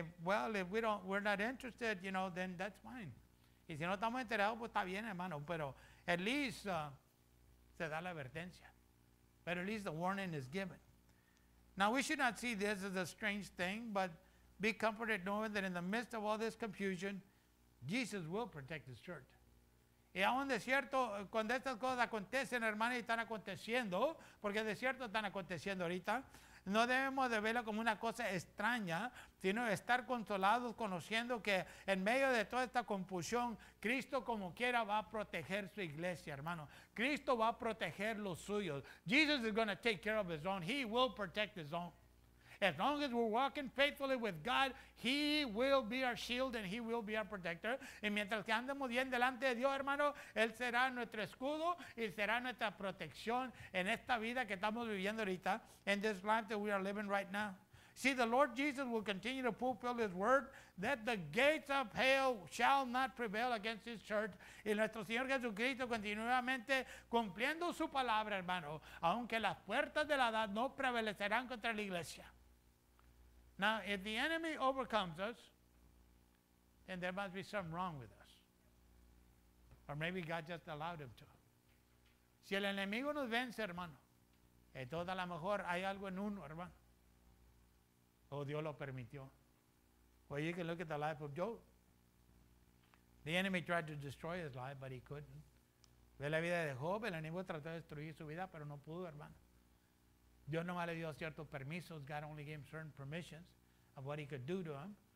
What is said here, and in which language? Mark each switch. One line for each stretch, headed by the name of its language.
English: And if we're not interested, you know, then that's fine.
Spanish: Y si no estamos enterados, pues está bien, hermano. Pero
English: at least
Spanish: se da la advertencia.
English: But at least the warning is given. Now, we should not see this as a strange thing, but be comforted knowing that in the midst of all this confusion, Jesus will protect his church.
Spanish: Y aún de cierto, cuando estas cosas acontecen, hermano, y están aconteciendo, porque de cierto están aconteciendo ahorita, no debemos de verlo como una cosa extraña, sino estar consolados conociendo que en medio de toda esta confusión, Cristo como quiera va a proteger su iglesia, hermano. Cristo va a proteger los suyos.
English: Jesus is going to take care of his own. He will protect his own. As long as we're walking faithfully with God, he will be our shield and he will be our protector.
Spanish: Y mientras que andemos bien delante de Dios, hermano, él será nuestro escudo y será nuestra protección en esta vida que estamos viviendo ahorita,
English: in this life that we are living right now. See, the Lord Jesus will continue to fulfill his word that the gates of hell shall not prevail against his church.
Spanish: Y nuestro Señor Jesucristo continuamente cumpliendo su palabra, hermano, aunque las puertas de la edad no prevalecerán contra la iglesia.
English: Now, if the enemy overcomes us, then there must be something wrong with us. Or maybe God just allowed him to.
Spanish: Si el enemigo nos vence, hermano, entonces a lo mejor hay algo en uno, hermano. O Dios lo permitió.
English: Well, you can look at the life of Job. The enemy tried to destroy his life, but he couldn't.
Spanish: Ve la vida de Job, el enemigo trató de destruir su vida, pero no pudo, hermano. Dios no le dio ciertos permisos.
English: God only gave him certain permissions of what he could do to him.